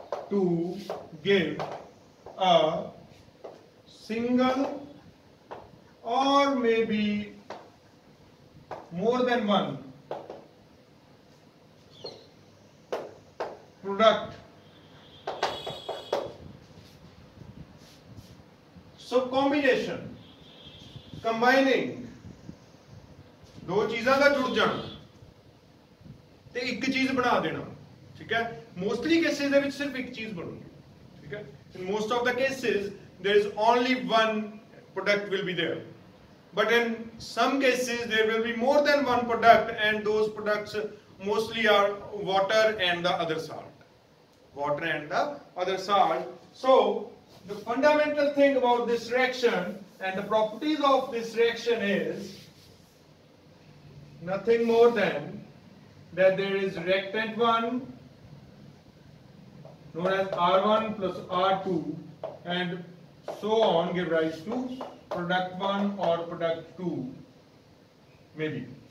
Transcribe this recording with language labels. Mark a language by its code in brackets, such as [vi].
[en] to give a single or maybe more than one product. So combination, combining [pa] दो चीजों का जुड़ जान ते एक चीज बना देना, ठीक है? [en] Mostly cases [pa] दे विच सिर्फ एक चीज बनूंगी, ठीक है? [en] In most of the cases there is only one product will be there. But in some cases, there will be more than one product, and those products mostly are water and the other salt. Water and the other salt. So, the fundamental thing about this reaction and the properties of this reaction is nothing more than that there is reactant 1 known as R1 plus R2 and so on give rise to product 1 or product 2, maybe.